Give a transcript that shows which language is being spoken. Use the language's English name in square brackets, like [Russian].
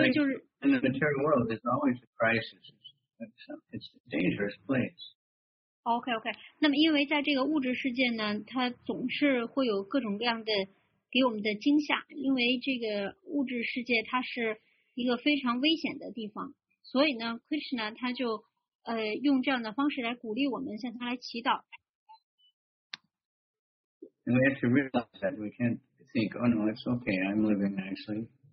[English] in the material world, there's always a crisis. It's a dangerous place. Okay. [Chinese] 那么因为在这个物质世界呢，它总是会有各种各样的给我们的惊吓。因为这个物质世界，它是一个非常危险的地方。所以呢， Krishna 他就用这样的方式来鼓励我们，向他来祈祷。 [English] And we have to realize that we can't think, oh no, it's okay, I'm living nicely.